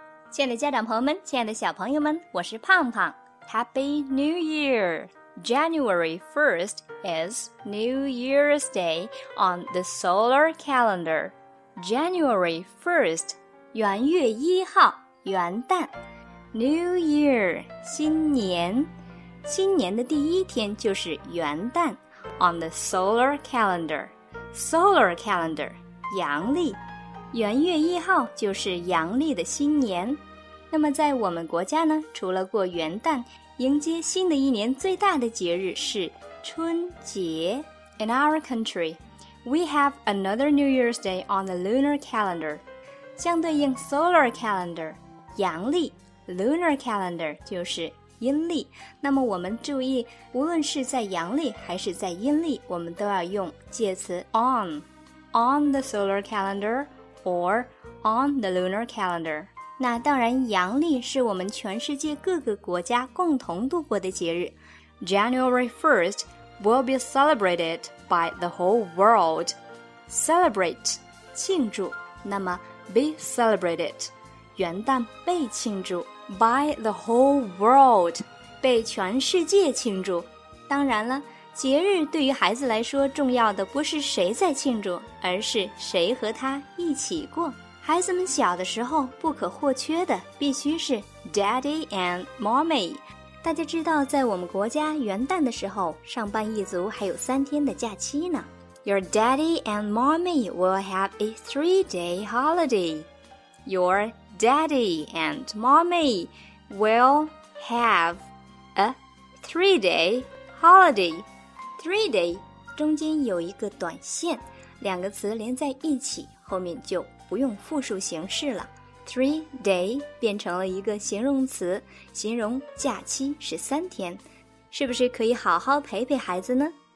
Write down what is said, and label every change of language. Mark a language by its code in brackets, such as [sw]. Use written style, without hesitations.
[zh] 亲爱的家长朋友们，亲爱的小朋友们，我是胖胖。 [en] Happy New Year! January 1st is New Year's Day on the solar calendar. January 1st, [zh] 元月一号，元旦。 [en] New Year, 新年。 [zh] 新年的第一天就是元旦。 [en] On the solar calendar. Solar calendar, [zh] 阳历。元月一号就是阳历的新年。那么在我们国家呢，除了过元旦，迎接新的一年最大的节日是春节。 [en] In our country, we have another New Year's Day on the lunar calendar. [zh] 相对应 [en] solar calendar, [zh] 阳历 , [en] lunar calendar [zh] 就是阴历。那么我们注意，无论是在阳历还是在阴历，我们都要用介词 on。 [en] On the solar calendar,or on the lunar calendar. [zh] 那当然阳历是我们全世界各个国家共同度过的节日。 [en] January 1st will be celebrated by the whole world. Celebrate, [zh] 庆祝。那么 be [en] celebrated, [zh] 元旦被庆祝。 [en] By the whole world, [zh] 被全世界庆祝。当然了，节日对于孩子来说重要的不是谁在庆祝，而是谁和他一起过。孩子们小的时候不可或缺的必须是 [en] Daddy and Mommy。 [zh] 大家知道在我们国家元旦的时候，上班一族还有三天的假期呢。 [en] Your Daddy and Mommy will have a 3-day holiday. Your Daddy and Mommy will have a 3-day holiday. [zh] 3-day, 中间有一个短线，两个词连在一起，后面就不用复数形式了。 [en] 3-day [zh] 变成了一个形容词，形容假期是三天，是不是可以好好陪陪孩子呢？